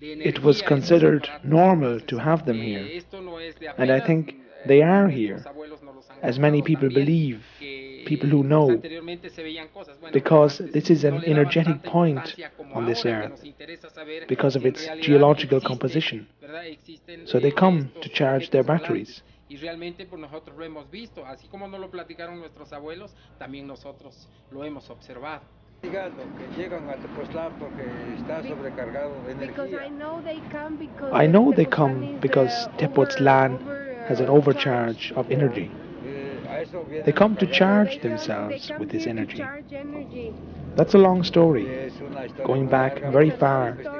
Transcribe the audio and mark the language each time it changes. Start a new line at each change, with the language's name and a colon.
English: It was considered normal to have them here, and I think they are here, as many people believe, people who know, because this is an energetic point on this earth, because of its geological composition. So they come to charge their batteries.
Spanish: Y realmente pues nosotros lo hemos visto, así como nos lo platicaron nuestros abuelos, también nosotros lo hemos observado.
English: I know they come because Tepoztlán has an overcharge of energy. They come to charge themselves with this energy. That's a long story, going back very far.